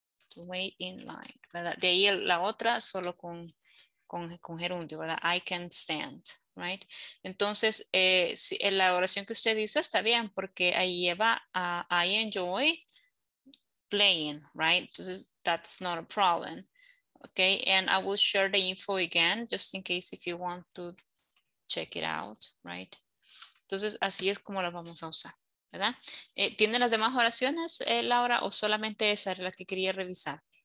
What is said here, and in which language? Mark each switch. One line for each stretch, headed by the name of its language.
English: To wait in line, ¿verdad?
Spanish: De ahí la otra solo con gerundio, ¿verdad?
English: I can't stand, right?
Spanish: Entonces, si, en la oración que usted hizo está bien porque ahí lleva
English: I enjoy playing, right? Entonces, that's not a problem. Okay, and I will share the info again, just in case if you want to check it out, right?
Spanish: Entonces, así es como la vamos a usar, ¿verdad? ¿Tiene las demás oraciones, Laura, o solamente esa es la que quería revisar?